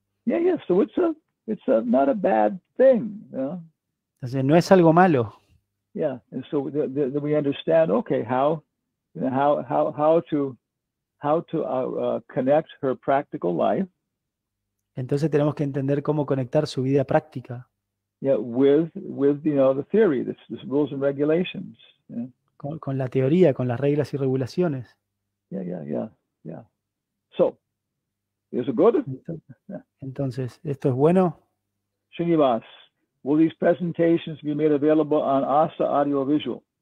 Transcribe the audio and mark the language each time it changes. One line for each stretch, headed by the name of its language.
English: Yeah, so it's a not a bad thing,
Spanish: Entonces no es algo malo.
English: Yeah, and so we understand, okay, how to connect her practical life.
Spanish: Entonces tenemos que entender cómo conectar su vida práctica.
English: Yeah, with the theory, the rules and regulations.
Spanish: Con la teoría, con las reglas y regulaciones.
English: Yeah. So, is it good?
Spanish: Entonces, ¿esto es bueno?
English: Srinivas, will these presentations be made available on ASA audio visual?